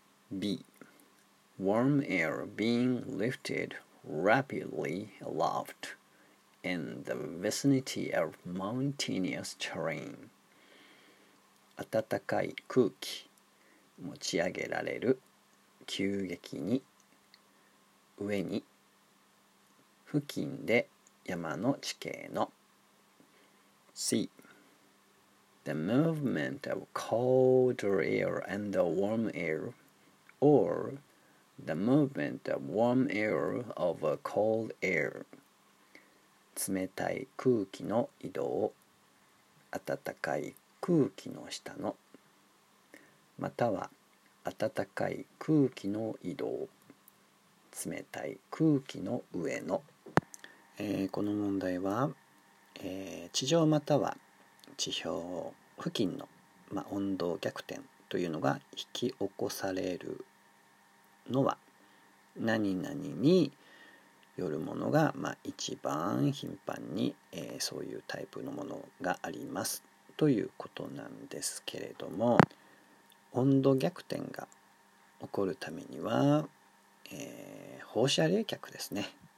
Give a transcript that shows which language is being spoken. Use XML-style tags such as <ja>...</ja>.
<en>B. Warm air being lifted rapidly aloft in the vicinity of mountainous terrain.</en> <ja>暖かい空気、持ち上げられる、急激に、上に、付近で山の地形の。</ja> <en>C. The movement of colder air and the warm air, or the movement of warm air over cold air.</en> <ja>冷たい空気の移動、暖かい空気の下の、または暖かい空気の移動、冷たい空気の上の。この問題は、地上または地表を付近の、温度逆転というのが引き起こされるのは何々によるものが、一番頻繁に、そういうタイプのものがありますということなんですけれども、温度逆転が起こるためには、放射冷却ですね。</ja>